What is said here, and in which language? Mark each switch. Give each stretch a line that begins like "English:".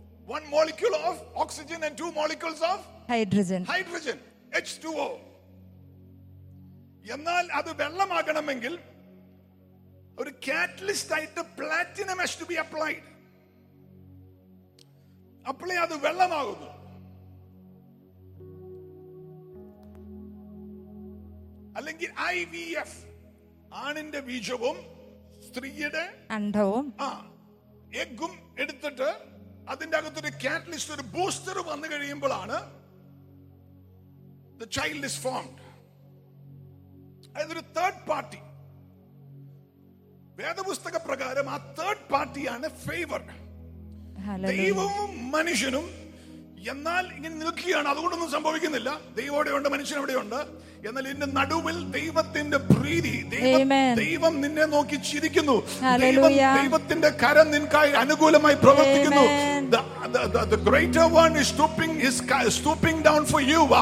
English: One molecule of oxygen and two molecules of hydrogen. Hydrogen. H2O.
Malayalam: എന്നാൽ അത് വെള്ളമാകണമെങ്കിൽ ഒരു catalyst ആയിട്ട്
English: platinum has to be applied.
Malayalam: അപ്പോളെ അത് വെള്ളമാകുന്നു. അല്ലെങ്കിൽ IVF, ആണിന്റെ ബീജവും സ്ത്രീയുടെ അണ്ഡവും എഗ്ഗും എടുത്തിട്ട് അതിന്റെ അകത്തൊരു കാറ്റലിസ്റ്റ്, ഒരു ബൂസ്റ്റർ വന്നു കഴിയുമ്പോഴാണ്
English: The child is formed.
Malayalam: അതൊരു തേർഡ് പാർട്ടി. വേദപുസ്തക പ്രകാരം ആ തേർഡ് പാർട്ടിയാണ് ഫേവർഡ്. ദൈവവും മനുഷ്യനും എന്നാൽ ഇങ്ങനെ നിൽക്കുകയാണ്. അതുകൊണ്ടൊന്നും സംഭവിക്കുന്നില്ല. ദൈവം അവിടെയുണ്ട്, മനുഷ്യൻ അവിടെയുണ്ട്. എന്നാൽ ഇതിന്റെ നടുവിൽ ദൈവത്തിന്റെ പ്രീതി, ദൈവം നിന്നെ നോക്കി ചിരിക്കുന്നു. ദൈവത്തിന്റെ കരം നിനക്കായി അനുകൂലമായി പ്രവർത്തിക്കുന്നു.
English: The greater one is stooping down for you.